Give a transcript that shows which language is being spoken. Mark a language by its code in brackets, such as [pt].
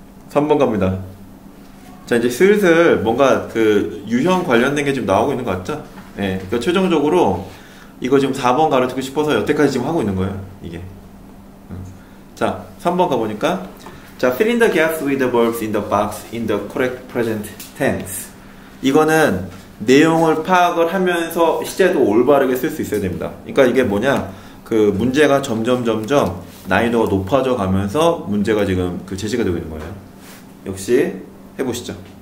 [ko] 3번 갑니다. 자, 이제 슬슬 뭔가 그 유형 관련된 게 지금 나오고 있는 것 같죠? 예. 네. 그러니까 최종적으로 이거 지금 4번 가르치고 싶어서 여태까지 지금 하고 있는 거예요. 이게. 자, 3번 가보니까. [en] 자, fill in the gaps with the verbs in the box in the correct present tense. [ko] 이거는 내용을 파악을 하면서 시제도 올바르게 쓸 수 있어야 됩니다. 그러니까 이게 뭐냐? 그 문제가 점점 난이도가 높아져 가면서 문제가 지금 그 제시가 되고 있는 거예요. 역시 해보시죠.